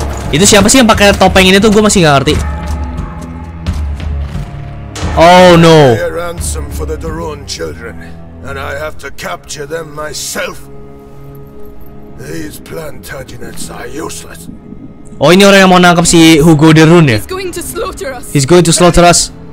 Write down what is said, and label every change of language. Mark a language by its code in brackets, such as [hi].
[id] Itu siapa sih yang pakai topeng ini tuh? Gue masih gak ngerti. [en] Oh no. They're ransom for the Daron children, and I have to capture them myself. These Plantagenets are useless. [id] Oh, ini orang yang mau nangkap si Hugo de Roon ya? [en] He's going to slaughter us.